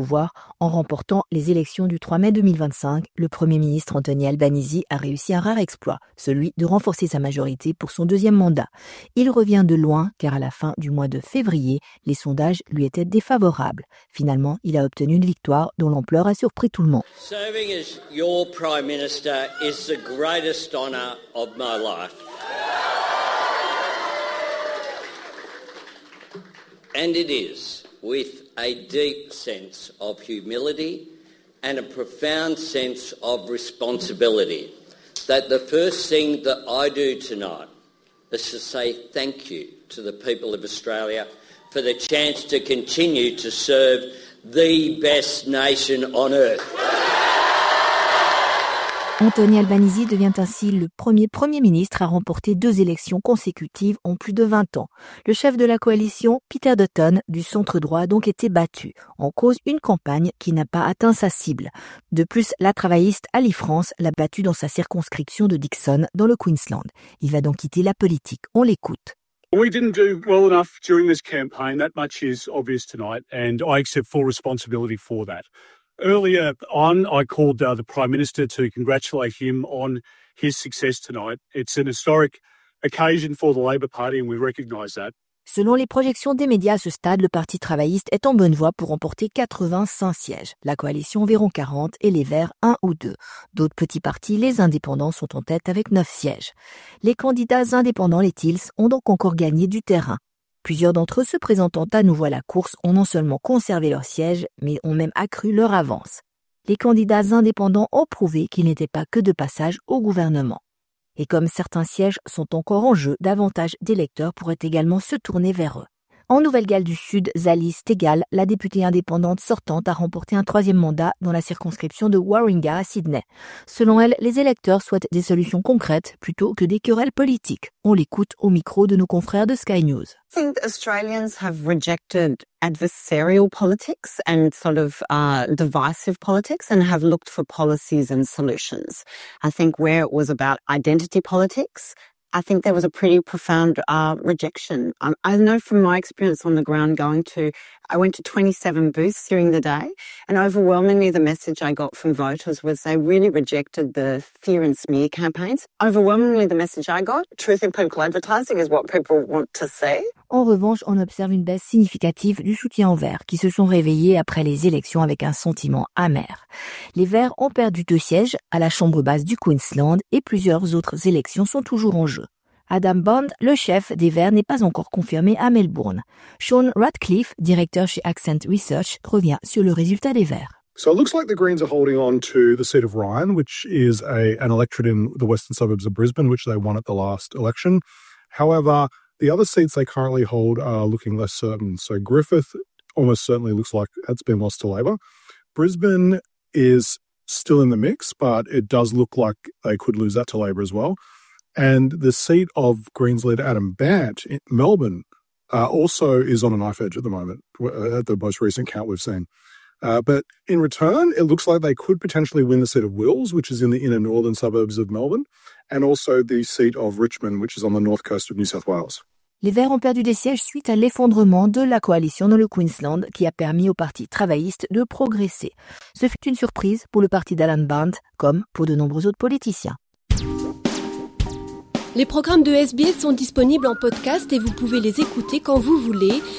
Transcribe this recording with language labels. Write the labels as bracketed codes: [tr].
[fr] pouvoir en remportant les élections du 3 mai 2025. Le Premier ministre Anthony Albanese a réussi un rare exploit, celui de renforcer sa majorité pour son deuxième mandat. Il revient de loin car à la fin du mois de février, les sondages lui étaient défavorables. Finalement, il a obtenu une victoire dont l'ampleur a surpris tout le monde. [en] Serving as your Prime Minister is the greatest honour of my life. And it is with a deep sense of humility and a profound sense of responsibility that the first thing that I do tonight is to say thank you to the people of Australia for the chance to continue to serve the best nation on earth. [fr] Anthony Albanese devient ainsi le premier Premier ministre à remporter deux élections consécutives en plus de 20 ans. Le chef de la coalition, Peter Dutton, du centre-droit, a donc été battu. En cause, une campagne qui n'a pas atteint sa cible. De plus, la travailliste Ali France l'a battu dans sa circonscription de Dixon, dans le Queensland. Il va donc quitter la politique. On l'écoute. [en] We didn't do well enough during this campaign. That much is obvious tonight, and I accept full responsibility for that. Earlier on, I called the Prime Minister to congratulate him on his success tonight. It's an historic occasion for the Labour Party and we recognise that. [fr] Selon les projections des médias à ce stade, le Parti travailliste est en bonne voie pour remporter 85 sièges. La coalition environ 40 et les Verts 1 ou 2. D'autres petits partis, les indépendants, sont en tête avec 9 sièges. Les candidats indépendants, les Tils, ont donc encore gagné du terrain. Plusieurs d'entre eux se présentant à nouveau à la course ont non seulement conservé leur siège, mais ont même accru leur avance. Les candidats indépendants ont prouvé qu'ils n'étaient pas que de passage au gouvernement. Et comme certains sièges sont encore en jeu, davantage d'électeurs pourraient également se tourner vers eux. En Nouvelle-Galles du Sud, Zali Stegall, la députée indépendante sortante, a remporté un troisième mandat dans la circonscription de Warringah à Sydney. Selon elle, les électeurs souhaitent des solutions concrètes plutôt que des querelles politiques. On l'écoute au micro de nos confrères de Sky News. [en] I think Australians have rejected adversarial politics and sort of divisive politics and have looked for policies and solutions. I think where it was about identity politics, I think there was a pretty profound rejection. I know from my experience on the ground I went to 27 booths during the day, and overwhelmingly the message I got from voters was they really rejected the fear and smear campaigns. Overwhelmingly the message I got, truth in political advertising is what people want to see. [fr] En revanche, on observe une baisse significative du soutien aux Verts, qui se sont réveillés après les élections avec un sentiment amer. Les Verts ont perdu 2 sièges à la Chambre basse du Queensland et plusieurs autres élections sont toujours en jeu. Adam Bond, le chef des Verts, n'est pas encore confirmé à Melbourne. Sean Ratcliffe, directeur chez Accent Research, revient sur le résultat des Verts. [en] So it looks like the Greens are holding on to the seat of Ryan, which is an electorate in the western suburbs of Brisbane, which they won at the last election. However, the other seats they currently hold are looking less certain. So Griffith almost certainly looks like it's been lost to Labor. Brisbane is still in the mix, but it does look like they could lose that to Labor as well. And the seat of Greens leader Adam Bandt in Melbourne also is on a knife edge at the moment, at the most recent count we've seen. But in return, it looks like they could potentially win the seat of Wills, which is in the inner northern suburbs of Melbourne, and also the seat of Richmond, which is on the north coast of New South Wales. [fr] Les Verts ont perdu des sièges suite à l'effondrement de la coalition dans le Queensland qui a permis au Parti travailliste de progresser. Ce fut une surprise pour le parti d'Alan Bandt, comme pour de nombreux autres politiciens. Les programmes de SBS sont disponibles en podcast et vous pouvez les écouter quand vous voulez.